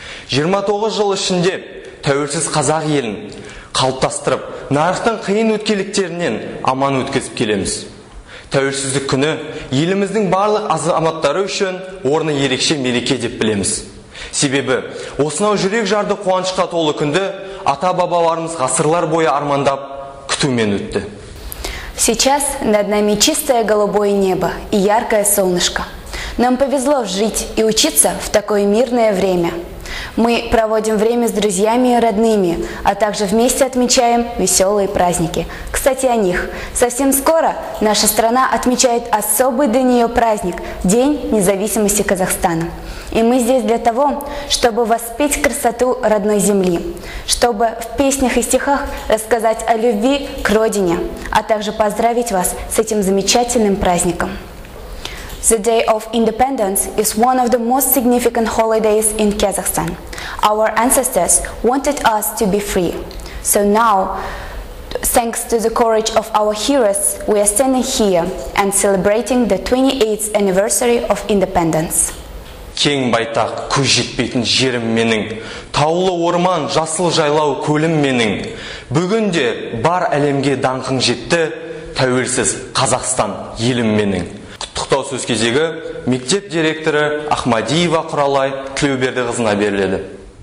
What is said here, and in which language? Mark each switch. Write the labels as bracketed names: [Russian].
[Kazakh] 29 жыл ішінде тәуелсіз Қазақ елін қалыптастырып, нарықтың қиын өткелектерінен аман өткізіп келеміз. Тәуелсіздік күні еліміздің барлық азаматтары үшін орны ерекше мереке деп білеміз. Себебі осынау жүрек жарды қуанышқа толы күнді ата-бабаларымыз ғасырлар бойы армандап күтумен өтті. [Russian] Сейчас над нами чистое голубое небо и яркое солнышко. Нам повезло жить и учиться в такое мирное время. Мы проводим время с друзьями и родными, а также вместе отмечаем веселые праздники. Кстати, о них. Совсем скоро наша страна отмечает особый для нее праздник – День независимости Казахстана. И мы здесь для того, чтобы воспеть красоту родной земли, чтобы в песнях и стихах рассказать о любви к родине, а также поздравить вас с этим замечательным праздником. [English] The Day of Independence is one of the most significant holidays in Kazakhstan. Our ancestors wanted us to be free. So now, thanks to the courage of our heroes, we are standing here and celebrating the 28th anniversary of independence. [Kazakh] Кең байтақ, көз жетпейтін жерім менің, таулы орман, жасыл жайлау көлім менің. Бүгінде бар әлемге даңқың жетті, тәуелсіз Қазақстан елім менің. Құттықтау сөз кезегі мектеп директоры Ахмадиева Құралай Тілеубердіқызына беріледі.